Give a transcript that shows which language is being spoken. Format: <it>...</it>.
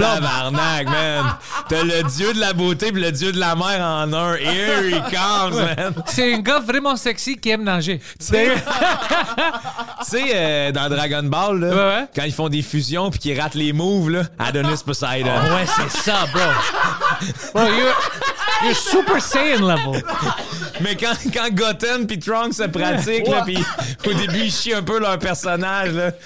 <fr>Tabarnak, man. T'as le dieu de la beauté pis le dieu de la mer en un.</fr> <en>Here he comes, man.</en> <fr>C'est un gars vraiment sexy qui aime nager. Tu sais, dans Dragon Ball, là, ouais. Quand ils font des fusions pis qu'ils ratent les moves, là, Adonis Poseidon. Oh, ouais, c'est ça, bro.</fr> <en>Bro, you're Super Saiyan level.</en> <fr>Mais quand Goten pis Trunks se pratiquent, là, pis au début, ils chient un peu leur personnage, là.</fr>